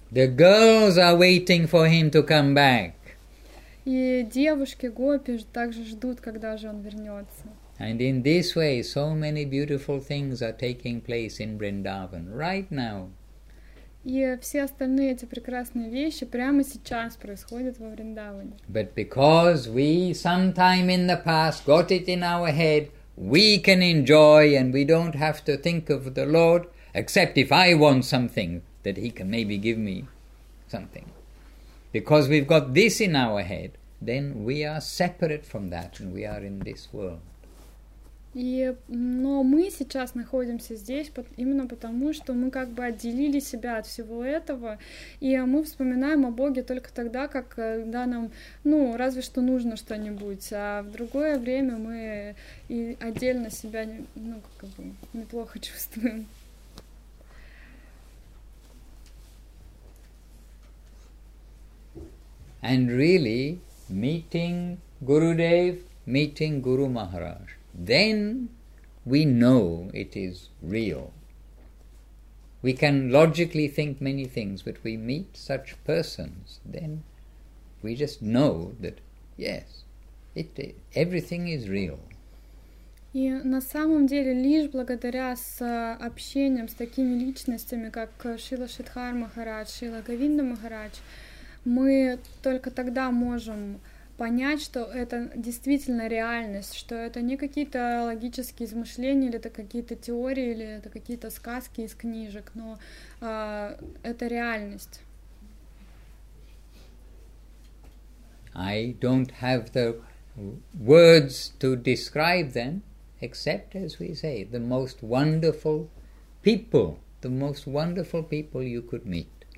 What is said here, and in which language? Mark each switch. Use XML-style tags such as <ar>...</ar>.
<en>The girls are waiting for him to come back.</en> <ru>И девушки гопи также ждут, когда же он вернется.</ru> <en>And in this way, so many beautiful things are taking place in Vrindavan right now.</en> <ru>И все остальные эти прекрасные вещи прямо сейчас происходят во Вриндаване.</ru> <en>But because we sometime in the past got it in our head, we can enjoy and we don't have to think of the Lord, except if I want something, that he can maybe give me something. Because we've got this in our head, then we are separate from that and we are in this world.</en> <ru>Но мы сейчас находимся здесь именно потому, что мы как бы отделили себя от всего этого, и мы вспоминаем о Боге только тогда, когда нам, ну, разве что нужно что-нибудь, а в другое время мы и отдельно себя, ну, как бы, неплохо чувствуем.</ru> <en>And really, meeting Gurudev, meeting Guru Maharaj, then we know it is real. We can logically think many things, but we meet such persons, then we just know that, yes, everything is real.</en> <ru>И на самом деле, лишь благодаря общением с такими личностями, как Шрила Шридхар Махарадж, Шрила Говинда Махарадж, мы только тогда можем понять, что это действительно реальность, что это не какие-то логические измышления, или это какие-то теории, или это какие-то сказки из книжек, но это реальность.</ru> <en>I don't have the words to describe them, except, as we say, the most wonderful people, the most wonderful people you could meet.</en>